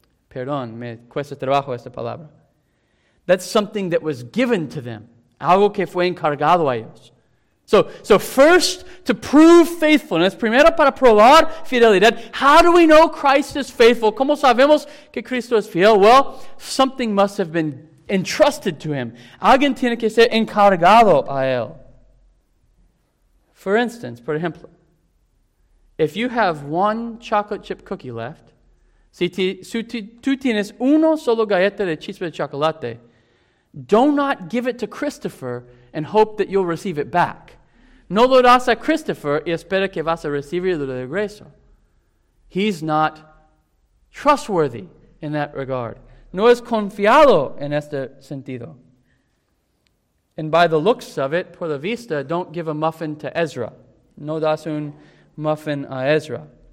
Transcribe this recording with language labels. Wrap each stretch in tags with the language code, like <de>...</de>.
<es>Perdón, me cuesta trabajo esta palabra.</es> <en>That's something that was given to them.</en> <es>Algo que fue encargado a ellos.</es> <en>So first, to prove faithfulness,</en> <es>primero para probar fidelidad,</es> <en>how do we know Christ is faithful?</en> <es>¿Cómo sabemos que Cristo es fiel?</es> <en>Well, something must have been entrusted to him.</en> <es>Alguien tiene que ser encargado a él.</es> <en>For instance,</en> <es>por ejemplo,</es> <en>if you have one chocolate chip cookie left,</en> <es>si tú tienes uno solo galleta de chispa de chocolate,</es> <en>do not give it to Christopher and hope that you'll receive it back.</en> <es>No lo das a Christopher y espera que vas a recibirlo de regreso.</es> <en>He's not trustworthy in that regard.</en> <es>No es confiado en este sentido.</es> <en>And by the looks of it,</en> <es>por la vista,</es> <en>don't give a muffin to Ezra.</en> <es>No das un muffin a Ezra.</es>